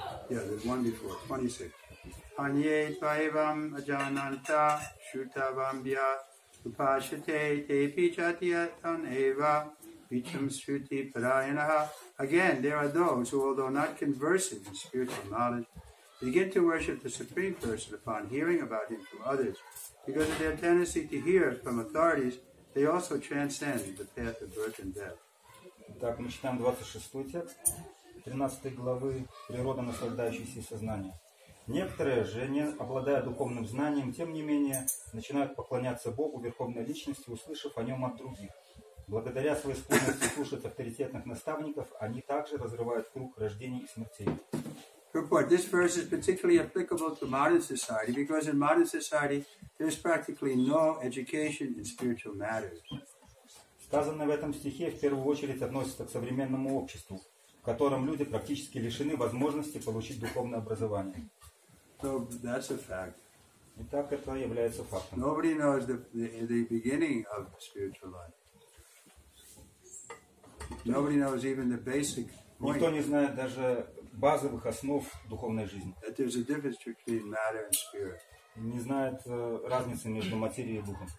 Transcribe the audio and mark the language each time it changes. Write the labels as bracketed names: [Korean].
[English] Yeah, there's one before, 26. [Sanskrit] Anye tvaivam ajananta shrutavambya upashate tepi chatiyatan eva vicham sruti parayanaha. [English] Again, there are those who, although not conversant in spiritual knowledge, begin to worship the Supreme Person upon hearing about Him from others. Because of their tendency to hear from authorities, they also transcend the path of birth and death. [Russian] Так, мы читаем 26 текст 13 главы «Природа, наслаждающаяся сознанием». Некоторые же, не обладая духовным знанием, тем не менее, начинают поклоняться Богу, Верховной Личности, услышав о Нем от других. Благодаря своей склонности слушать авторитетных наставников, они также разрывают круг рождений и смертей. [English] Report. This verse is particularly applicable to modern society because in modern society there is practically no education in spiritual matters. [Russian] Сказанное в этом стихе в первую очередь относится к современному обществу, в котором люди практически лишены возможности получить духовное образование. [English] So that's a fact. [Russian] Итак, это является фактом. [English] Nobody knows the beginning of spiritual life. Nobody knows even the basic point. [Russian] Никто не знает даже базовых основ духовной жизни. [English] That there's a difference between matter and spirit. [Russian] Не знает разницы между материей и духом.